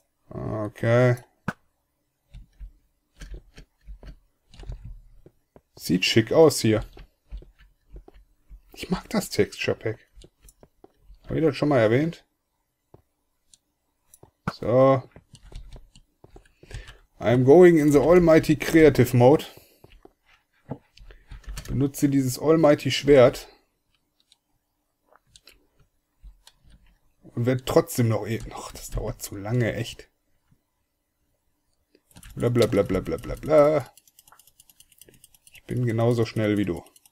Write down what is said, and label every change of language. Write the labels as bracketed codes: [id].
[de] Okay. Sieht schick aus hier. Ich mag das Texture Pack. Habe ich das schon mal erwähnt? So. [en] I'm going in the Almighty Creative Mode. [de] Benutze dieses Almighty Schwert. Und werde trotzdem noch eben. Ach, das dauert zu lange, echt. Bla bla bla bla bla bla bla. Ich bin genauso schnell wie du.